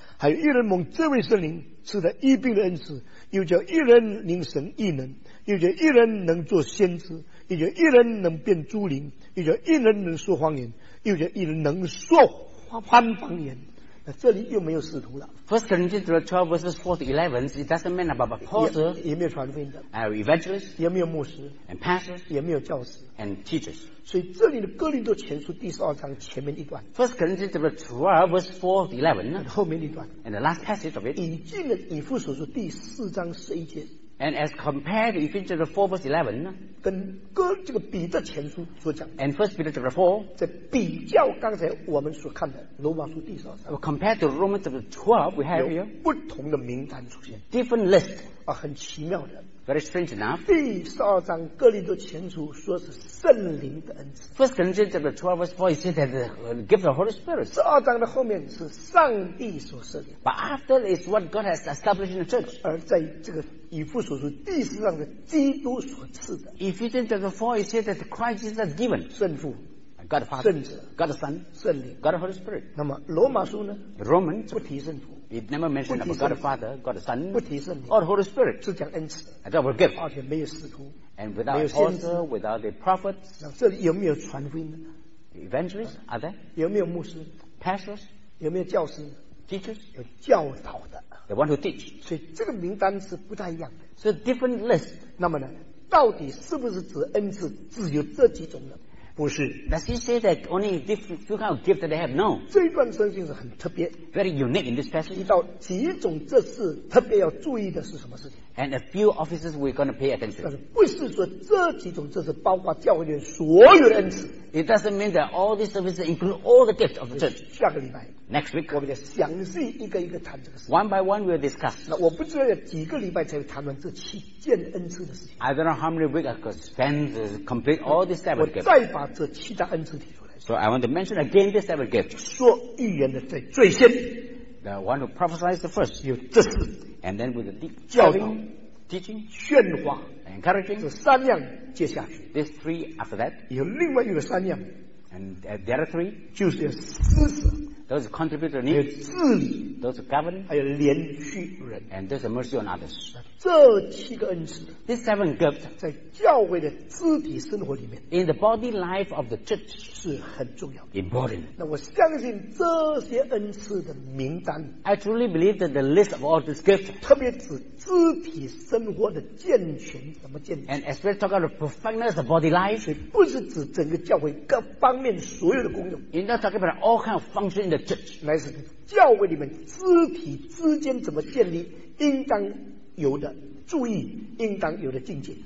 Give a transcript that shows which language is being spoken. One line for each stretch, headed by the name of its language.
Chinese: 还有一人蒙这位圣灵赐他医病的恩赐又叫一人领神异能又叫一人能做先知又叫一人能变诸灵又叫一人能说方言又叫一人能说翻方言那这里又没有使徒了
English: First Corinthians 12 verses 4 to 11 it doesn't mean about apostles
Chinese: 也没有传福音的
English: evangelists
Chinese: 也没有牧师
English: and pastors
Chinese: 也没有教师
English: and teachers
Chinese: 所以这里的哥林多前书第十二章前面一段
English: First Corinthians 12 verses 4 to 11
Chinese: 后面一段
English: and the last passage of it
Chinese: 已进了以弗所书第四章十一节
English: And as compared to Ephesians 4 verse 11,
Chinese: 跟哥这个彼得前书所讲
English: and First Peter chapter 4,
Chinese: 在比较刚才我们所看的罗马书第十二章
English: compared to Romans chapter 12, we have here,
Chinese: 不同的名单出现
English: different list,
Chinese: 啊，很奇妙的
English: very strange enough,
Chinese: 第十二章哥林多前书说是圣灵的恩赐
English: First Corinthians chapter 12 verse 4, it says that the gift of the Holy Spirit,
Chinese: 十二章的后面是上帝所设立
English: but after is what God has established in the church,
Chinese: 而在这个以弗所书第四章的基督所赐的
English: Ephesians chapter 4 it says that Christ is given
Chinese: 圣父
English: God the Father
Chinese: 圣子
English: God the Son
Chinese: 圣灵
English: God the Holy Spirit
Chinese: 那么罗马书呢
English: Romans
Chinese: 不提圣父
English: it never mentioned about God the Father God the Son
Chinese: 不提圣灵
English: or Holy Spirit
Chinese: 只讲恩赐
English: and that were given
Chinese: 而且没有使徒
English: and without apostles without the prophets
Chinese: 那这里有没有传福音呢
English: Evangelists are there
Chinese: 有没有牧师
English: Pastors
Chinese: 有没有教师
English: Teachers
Chinese: 有教导的
English: the one who teach.
Chinese: 所以这个名单是不太一样的。
English: So different list.
Chinese: 那么呢，到底是不是指恩赐只有这几种呢？不是。
English: Does he say that only different few kind of gift that they have? No.
Chinese: 这一段圣经是很特别。
English: Very unique in this passage.
Chinese: 提到几种这事特别要注意的是什么事情？
English: And a few offices we're going to pay attention.
Chinese: 但是不是说这几种这是包括教会的所有的恩赐。
English: It doesn't mean that all these services include all the gifts of the church.
Chinese: 下个礼拜。
English: Next week.
Chinese: 我们就详细一个一个谈这个事。
English: One by one we'll discuss.
Chinese: 那我不知道有几个礼拜才会谈论这七件恩赐的事情。
English: I don't know how many weeks I could spend to complete all these seven gifts.
Chinese: 我再把这七大恩赐提出来。
English: So I want to mention again these seven gifts.
Chinese: 说预言的最最先。
English: The one who prophesies the first.
Chinese: 有这四。
English: And then with the deep
Chinese: 教导。
English: Teaching,
Chinese: 劝化
English: encouraging,
Chinese: 这三样接下去
English: these three after that,
Chinese: 有另外一个三样
English: and the other three,
Chinese: 就是施舍
English: those contributor needs,
Chinese: 有治理
English: those govern,
Chinese: 还有连续人
English: and there's a mercy on others.
Chinese: 这七个恩赐
English: these seven gifts,
Chinese: 在教会的肢体生活里面
English: in the body life of the church,
Chinese: 是很重要的
English: important.
Chinese: 那我相信这些恩赐的名单
English: I truly believe that the list of all these gifts,
Chinese: 特别指肢体生活的健全怎么健全
English: and especially talk about the perfectness of body life
Chinese: 所以不是指整个教会各方面所有的功用
English: you're not talking about all kinds of function in the church
Chinese: 乃是教会里面肢体之间怎么建立应当有的注意应当有的境界